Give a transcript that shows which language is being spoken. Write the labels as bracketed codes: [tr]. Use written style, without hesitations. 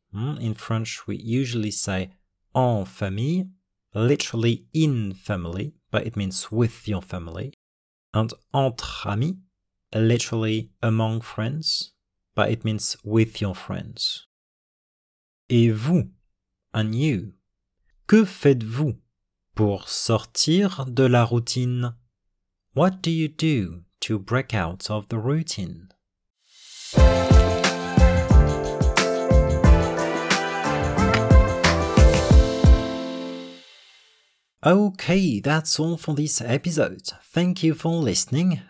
[en] In French, we usually say [fr] en famille, [en] literally in family, but it means with your family. And [fr] entre amis, [en] literally among friends, but it means with your friends. [fr] Et vous, [en] and you, [fr] que faites-vous pour sortir de la routine? [en] What do you do to break out of the routine? Okay, that's all for this episode. Thank you for listening.